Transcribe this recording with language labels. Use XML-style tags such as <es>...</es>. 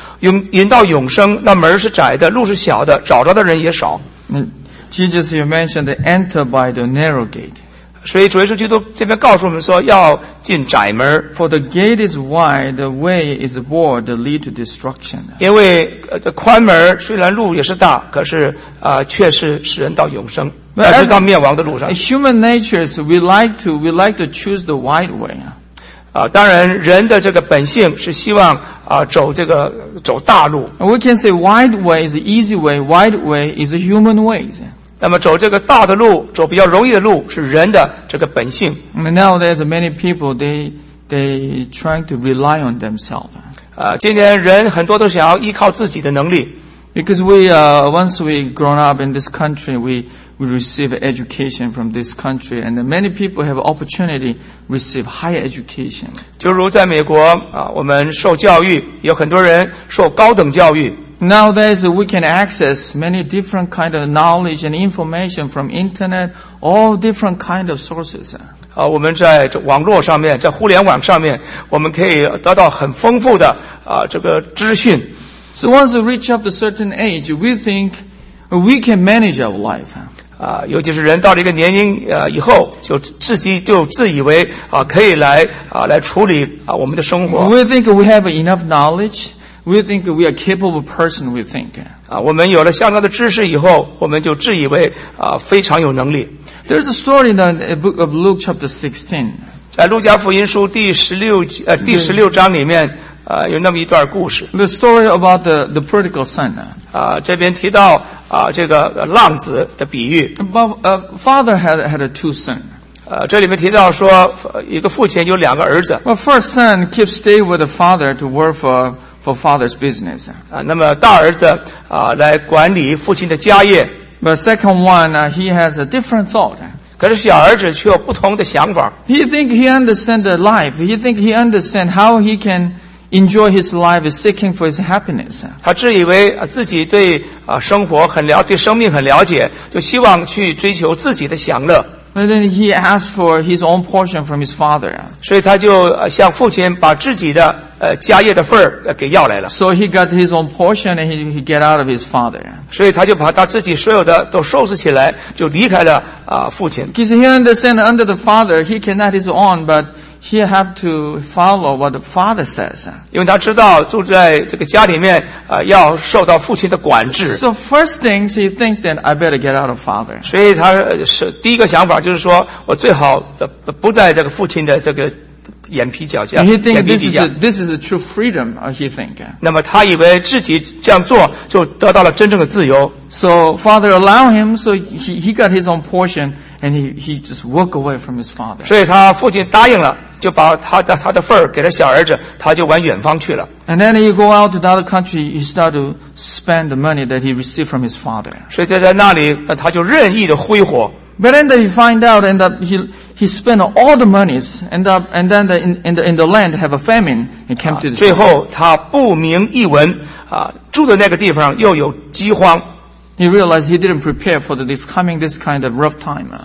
<zh>引道永生，那门是窄的，路是小的，找着的人也少。</zh> <en>Jesus, you mentioned enter by the narrow gate.</en> <zh>所以主耶稣基督这边告诉我们说，要进窄门。</zh> <en>For the gate is wide, the way is broad, that lead to destruction.</en> <zh>因为这宽门虽然路也是大，可是却是使人到永生，而是到灭亡的路上。</zh> <en>Human nature is we like to choose the wide way.</en> <zh>当然人的这个本性是希望走大路。</zh> <en>We can say wide way is the easy way. Wide way is the human way.</en> <zh>那么走这个大的路，走比较容易的路，是人的这个本性。</zh> <en>Nowadays many people they trying to rely on themselves.</en> <zh>今年人很多都想要依靠自己的能力。</zh> <en>Because we, once we grown up in this country, we receive education from this country, and many people have opportunity receive higher education.</en> <zh>就如在美国，我们受教育，有很多人受高等教育。</zh> <en>Nowadays, we can access many different kind of knowledge and information from internet, all different kind of sources.</en> <zh>我们在网络上面，在互联网上面，我们可以得到很丰富的这个资讯。</zh> <en>So once we reach up to certain age, we think we can manage our life.</en> <zh>尤其是人到了一个年龄以后，就自己就自以为可以来处理我们的生活。</zh> <en>We think we have enough knowledge. We think we are capable person. We think.</en> <zh>我们有了相当的知识以后，我们就自以为非常有能力。</zh> <en>There's a story in the book of Luke chapter 16.</en> <zh>在路加福音书第十六章里面有那么一段故事。</zh> <en>The story about the prodigal son.</en> <zh>这边提到这个浪子的比喻。</zh> <en>But father had two sons.</en> <zh>这里面提到说一个父亲有两个儿子。</zh> <en>Well, first son keeps stay with the father to work for father's business.</en> <zh>那么大儿子来管理父亲的家业。</zh> <en>But second one, he has a different thought.</en> <zh>可是小儿子却有不同的想法。</zh> <en>He think he understand the life. He think he understand how he can enjoy his life, seeking for his happiness.</en> <zh>他自以为自己对生活很了，对生命很了解，就希望去追求自己的享乐。</zh> <en>And then he asked for his own portion from his father.</en> <zh>所以他就向父亲把自己的家业的份给要来了。</zh> <en>So he got his own portion and he get out of his father.</en> <zh>所以他就把他自己所有的都收拾起来，就离开了父亲。</zh> <en>Because he understand under the father, he cannot his own, but he have to follow what the father says.</en> <zh>因为他知道住在这个家里面要受到父亲的管制。</zh> <en>So first things he think that I better get out of father.</en> <zh>所以他是第一个想法就是说我最好不在这个父亲的这个眼皮脚下。</zh> <en>He think this is a true freedom, he think.</en> <zh>那么他以为自己这样做就得到了真正的自由。</zh> <en>So father allow him, so he got his own portion, and he just walk away from his father.</en> <zh>所以他父亲答应了，就把他的份给了小儿子，他就往远方去了。</zh> <en>And then he go out to another country, he start to spend the money that he received from his father.</en> <zh>所以在那里，他就任意的挥霍。</zh> <en>But then he find out, end up he spent all the monies, end up, and then in the land have a famine. He came to the</en> <zh>最后他不明一文住的那个地方又有饥荒。</zh> <en>He realized he didn't prepare for this kind of rough time.</en>